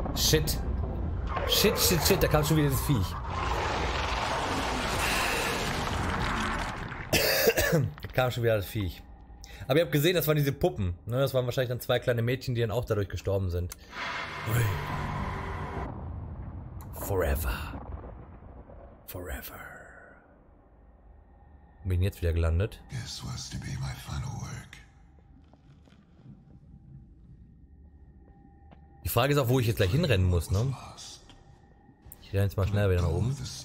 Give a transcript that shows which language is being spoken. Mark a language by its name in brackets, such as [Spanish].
[German] Shit. Shit, shit, shit, da kam schon wieder das Viech. Aber ihr habt gesehen, das waren diese Puppen. Ne? Das waren wahrscheinlich dann zwei kleine Mädchen, die dann auch dadurch gestorben sind. Ui. [English] Forever. Forever. [German] Bin jetzt wieder gelandet. [English] This was to be my final work. [German] Die Frage ist auch, wo ich jetzt gleich hinrennen muss, ne? Ich renne jetzt mal schnell wieder nach oben.